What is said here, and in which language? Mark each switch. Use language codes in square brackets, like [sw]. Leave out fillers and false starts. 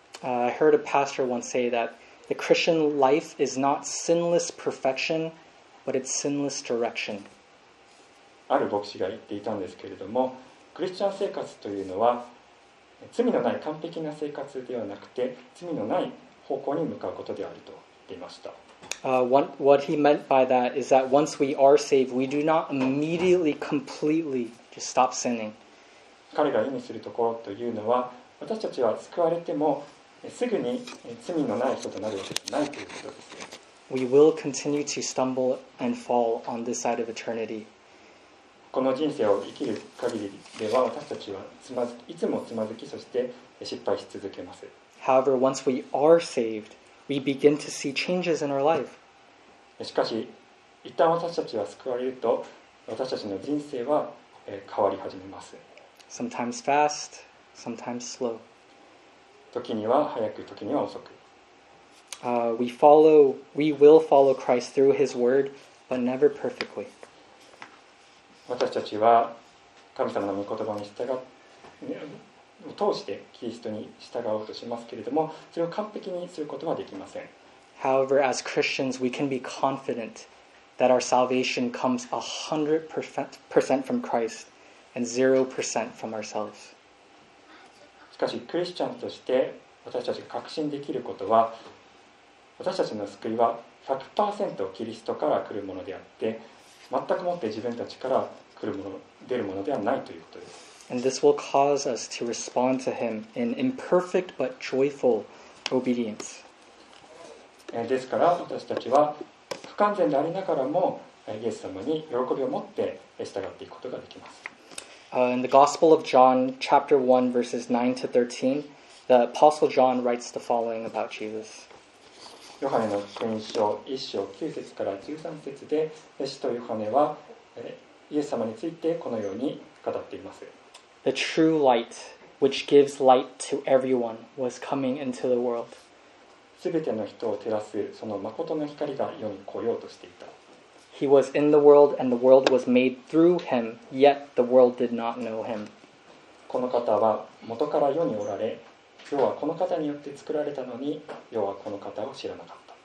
[en] I heard a pastor once say that the Christian life is not sinless perfection, but it's sinless direction. [ja] ある牧師が言っていたんですけれども、クリスチャン生活というのは、罪のない完璧な生活ではなくて、罪のない方向に向かうことであると言っていました。 [en] What he meant by that is that once we are saved, we do not immediately completely just stop sinning. [ja] 彼が意味するところというのは、私たちは救われてもすぐに罪のない人となるわけではないということです。 [en] We will continue to stumble and fall on this side of eternity. [ja] この人生を生きる限りでは、私たちはいつもつまずき、そして失敗し続けます。 [en] However, once we are saved,We begin to see changes in our life. [ja] しかし、一旦私たちは救われると、私たちの人生は変わり始めます。 [en] Sometimes fast, sometimes slow. [ja] 時には早く、時には遅く。 [en] We will follow Christ through His word, but never perfectly. [ja] 私たちは神様の御言葉に従って、通してキリストに従おうとしますけれども、それを完璧にすることはできません。 [en] However, as Christians, we can be confident that our salvation comes 100% from Christ and 0% from ourselves. [ja] しかし、クリスチャンとして私たちが確信できることは、私たちの救いは 100% キリストから来るものであって、全くもって自分たちから来るもの、出るものではないということです。 [en] And this will cause us to respond to Him in imperfect but joyful obedience. [ja] ですから私たちは不完全でありながらもイエス様に喜びを持って従っていくことができます。 [en] In the Gospel of John, chapter 1, verses 9 to 13, the Apostle John writes the following about Jesus. [ja] ヨハネの福音書1章9節から13節で、使徒ヨハネはイエス様についてこのように語っています。 [en] The true light, which gives light to everyone, was coming into the world. [ja] すべての人を照らすその誠の光が世に来ようとしていた。 [en] He was in the world, and the world was made through him, yet the world did not know him. [ja] この方は元から世におられ、世はこの方によって作られたのに、世はこの方を知らなかった。